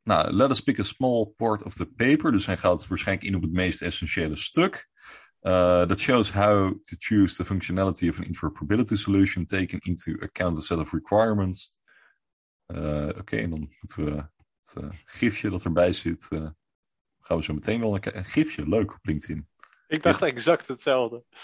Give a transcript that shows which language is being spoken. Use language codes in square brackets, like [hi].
[en] Let us pick a small part of the paper. [nl] Dus hij gaat waarschijnlijk in op het meest essentiële stuk. [en] That shows how to choose the functionality of an interoperability solution taken into account a set of requirements. [nl] Oké, en dan moeten we het gifje dat erbij zit. Gaan we zo meteen wel naar kijken. Een gifje, leuk op LinkedIn. Ik dacht exact hetzelfde.